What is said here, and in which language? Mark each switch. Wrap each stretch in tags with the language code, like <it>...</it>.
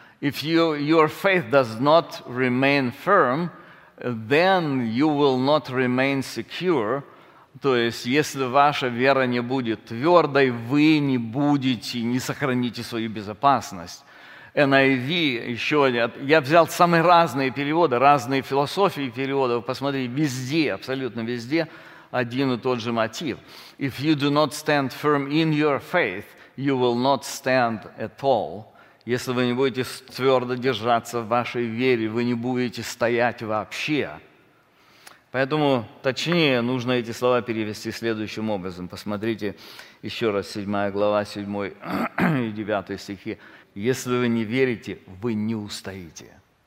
<en>If your faith does not remain firm, then you will not remain secure.</en> <ru>То есть, если ваша вера не будет твердой, вы не будете, не сохраните свою безопасность. NIV, еще один. Я взял самые разные переводы, разные философии переводов. Посмотрите, везде, абсолютно везде, один и тот же мотив.</ru> <en>If you do not stand firm in your faith, you will not stand at all.</en> <ru>Если вы не будете твердо держаться в вашей вере, вы не будете стоять вообще. Поэтому, точнее, нужно эти слова перевести следующим образом. Посмотрите еще раз 7 глава, 7 и 9 стихи. Если вы не верите, вы не устоите.</ru>